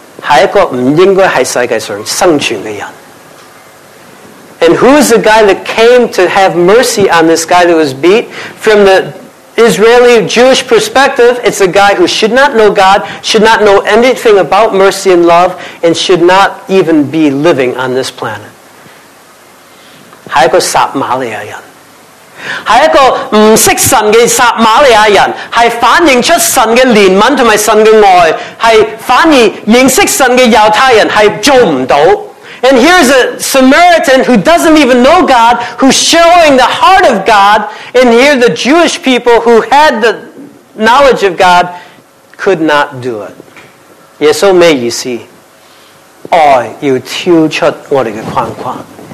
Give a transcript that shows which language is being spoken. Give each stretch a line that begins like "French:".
Chinese: 从犹太人的角度，是一个不应该知道什么叫爱心，是一个不应该关心人，是一个不应该在世界上生存的人。
English: And who is the guy that came to have mercy on this guy that was beat? From the Israeli Jewish perspective, it's a guy who should not know God, should not know anything about mercy and love, and should not even be living on this planet.
Chinese: 是一个撒玛利亚人，是一个不识神的撒玛利亚人，是反映出神的怜悯和神的爱，是反而认识神的犹太人，是做不到。
English: And here's a Samaritan who doesn't even know God, who's showing the heart of God, and here the Jewish people who had the knowledge of God could not do it. Yes, oh, may you see. I, you tilt what a quan quan.